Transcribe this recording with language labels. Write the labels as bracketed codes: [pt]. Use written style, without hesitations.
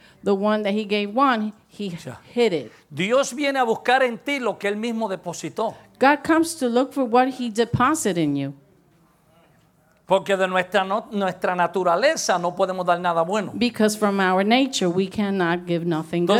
[en] The one that he gave 1, he hid it. [es] Dios viene a buscar en ti lo que él mismo depositó. [en] God comes to look for what he deposited in you. [es] Porque de nuestra naturaleza no podemos dar nada bueno. [en] Because from our nature we cannot give nothing good.